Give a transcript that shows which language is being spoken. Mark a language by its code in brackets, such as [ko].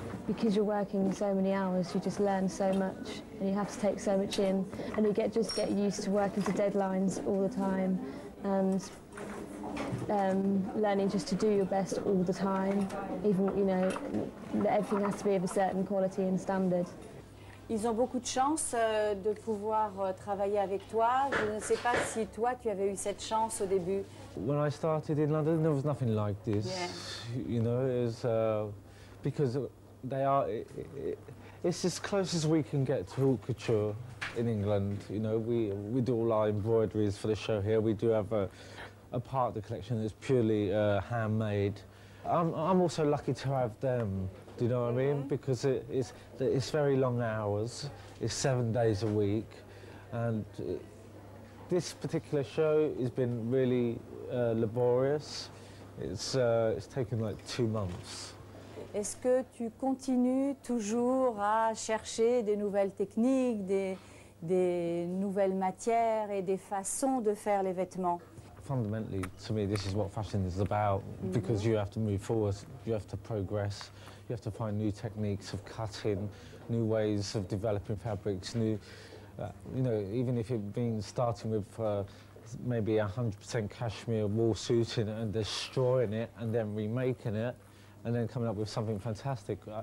[en] Because you're working so many hours, you just learn so much, and you have to take so much in, and you get used to working to deadlines all the time, and learning just to do your best all the time. Even, you know, everything has to be of a certain quality and standard. [fr] Ils ont beaucoup de chance de pouvoir travailler avec toi. Je ne sais pas si toi tu avais eu cette chance au début. [en] When I started in London, there was nothing like this. Yeah. You know, it's because they are. It's as close as we can get to haute couture in England. You know, we do all our embroideries for the show here. We do have a part of the collection that's purely handmade. I'm also lucky to have them. Do you know what I mean? Because it's very long hours. It's 7 days a week, and this particular show has been really laborious. It's taken like 2 months. [fr] Est-ce que tu continues toujours à chercher des nouvelles techniques, des nouvelles matières et des façons de faire les vêtements? [en] Fundamentally, to me, this is what fashion is about, because you have to move forward, you have to progress, you have to find new techniques of cutting, new ways of developing fabrics, new, you know, even if it means starting with maybe 100% cashmere wool suiting and destroying it and then remaking it, and then coming up with something fantastic.